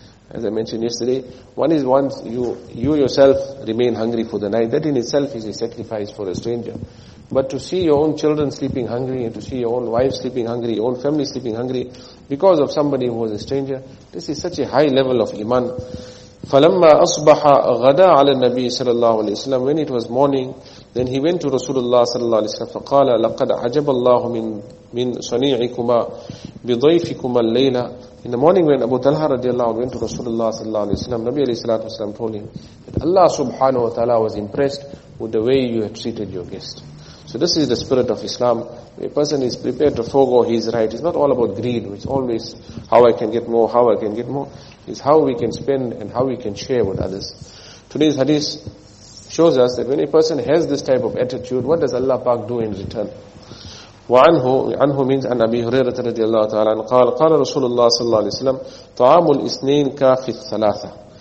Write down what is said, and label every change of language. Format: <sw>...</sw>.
<en>As I mentioned yesterday, one is once you yourself remain hungry for the night, that in itself is a sacrifice for a stranger. But to see your own children sleeping hungry, and to see your own wife sleeping hungry, your own family sleeping hungry, because of somebody who was a stranger, this is such a high level of iman.</en> <ar>فَلَمَّا أَصْبَحَ غَدَى عَلَى النَّبِيِّ صَلَى اللَّهُ عَلَيْهِ وَسَلَّمَ.</ar> <en>When it was morning, then he went to Rasulullah</en> <ar>صلى الله عليه وسلم, فَقَالَ لَقَدْ عَجَبَ اللَّهُ مِنْ صَنِيعِكُمَا بِضَيْفِكُمَا اللَّيْلَةَ.</ar> <en>In the morning when Abu Talha radiallahu anhu went to Rasulullah sallallahu alayhi wa sallam, Nabi alayhi salatu wa sallam told him that Allah subhanahu wa ta'ala was impressed with the way you had treated your guest. So this is the spirit of Islam. A person is prepared to forego his right. It's not all about greed, it's always how I can get more. It's how we can spend and how we can share with others. Today's hadith shows us that when a person has this type of attitude, what does Allah Pak do in return?</en> <ar>وعنه means عن أبي هريرة رضي الله تعالى عنه قال رسول الله صلى الله عليه وسلم طعام الاثنين كافي الثلاثة.</ar>